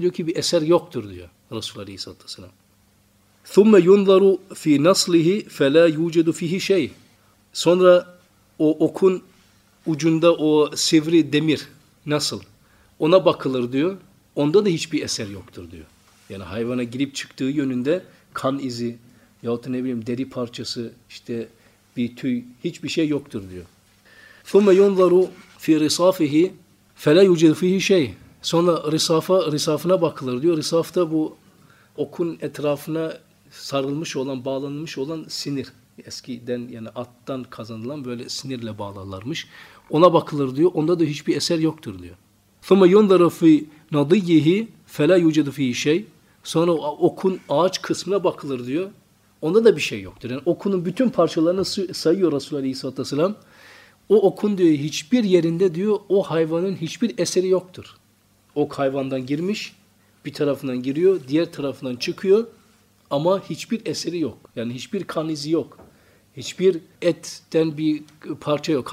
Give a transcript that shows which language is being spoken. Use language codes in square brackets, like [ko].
[tr] Diyor ki bir eser yoktur diyor Resulullah Aleyhisselatü Vesselam. [ar] ثُمَّ يُنْظَرُ فِي نَصْلِهِ فَلَا يُوْجَدُ فِيهِ شَيْ [tr] Sonra o okun ucunda o sivri demir nasıl? Ona bakılır diyor. Onda da hiçbir eser yoktur diyor. Yani hayvana girip çıktığı yönünde kan izi yahut ne bileyim deri parçası, işte bir tüy, hiçbir şey yoktur diyor. [ar] ثُمَّ يُنْظَرُ فِي رِصَافِهِ فَلَا يُوْجَدُ فِيهِ شَيْ [tr] Sonra risafına bakılır diyor. Risafta bu okun etrafına sarılmış olan, bağlanmış olan sinir. Eskiden yani attan kazanılan böyle sinirle bağlarlarmış. Ona bakılır diyor. Onda da hiçbir eser yoktur diyor. [ar] ثُمَّ يُنْذَرَ فِي نَضِيِّهِ فَلَا يُوْجَدُ فِيهِ شَيْ [tr] Sonra okun ağaç kısmına bakılır diyor. Onda da bir şey yoktur. Yani okunun bütün parçalarını sayıyor Resulullah Aleyhisselatü Vesselam. O okun diyor hiçbir yerinde diyor o hayvanın hiçbir eseri yoktur. Ok hayvandan girmiş, bir tarafından giriyor, diğer tarafından çıkıyor ama hiçbir eseri yok. Yani hiçbir kan izi yok. Hiçbir etten bir parça yok.